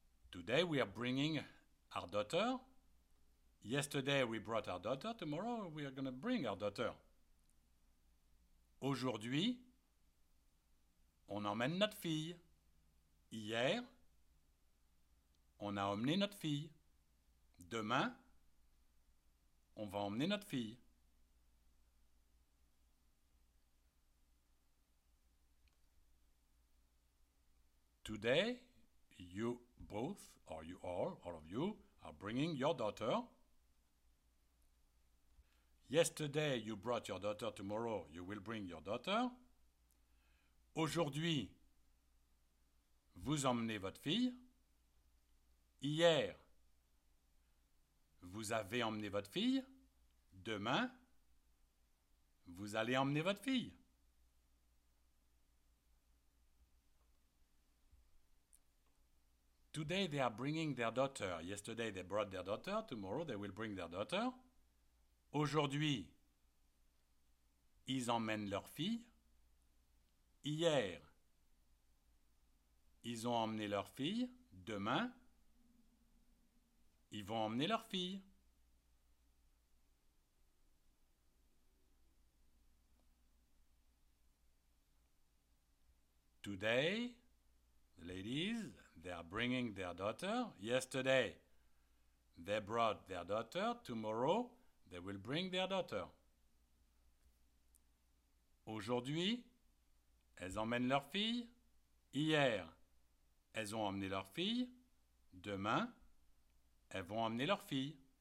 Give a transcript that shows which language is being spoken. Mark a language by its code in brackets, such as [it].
[en] Today we are bringing our daughter. Yesterday we brought our daughter, tomorrow we are going to bring our daughter. [fr] Aujourd'hui, on emmène notre fille. Hier, on a emmené notre fille. Demain, on va emmener notre fille. [en] Today, you both, or you all of you, are bringing your daughter. Yesterday, you brought your daughter. Tomorrow, you will bring your daughter. [fr] Aujourd'hui, vous emmenez votre fille. Hier, vous avez emmené votre fille. Demain, vous allez emmener votre fille. [en] Today, they are bringing their daughter. Yesterday, they brought their daughter. Tomorrow, they will bring their daughter. [fr] Aujourd'hui, ils emmènent leur fille. Hier, ils ont emmené leur fille. Demain, ils vont emmener leur fille. [en] Today, the lady is, they're bringing their daughter. Yesterday, they brought their daughter. Tomorrow, they will bring their daughter. [fr] Aujourd'hui, elles emmènent leur fille. Hier, elles ont emmené leur fille. Demain, elles vont emmener leur fille.